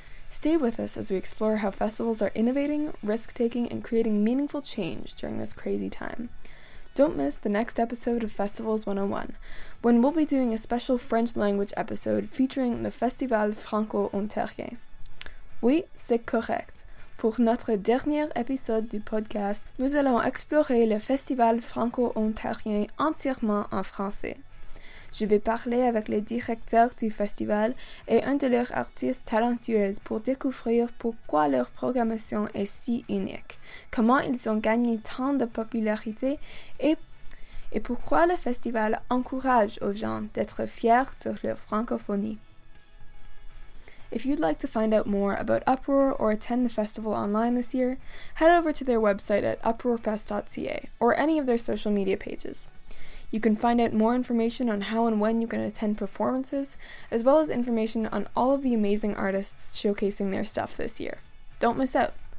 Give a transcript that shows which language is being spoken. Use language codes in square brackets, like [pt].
[en] Stay with us as we explore how festivals are innovating, risk-taking, and creating meaningful change during this crazy time. Don't miss the next episode of Festivals 101, when we'll be doing a special French language episode featuring the Festival Franco-Ontarien. [fr] Oui, c'est correct. Pour notre dernier épisode du podcast, nous allons explorer le Festival Franco-Ontarien entièrement en français. Je vais parler avec les directeurs du festival et un de leurs artistes talentueux pour découvrir pourquoi leur programmation est si unique, comment ils ont gagné tant de popularité et pourquoi le festival encourage aux gens d'être fiers de leur francophonie. [en] If you'd like to find out more about Uproar or attend the festival online this year, head over to their website at uproarfest.ca or any of their social media pages. You can find out more information on how and when you can attend performances, as well as information on all of the amazing artists showcasing their stuff this year. Don't miss out!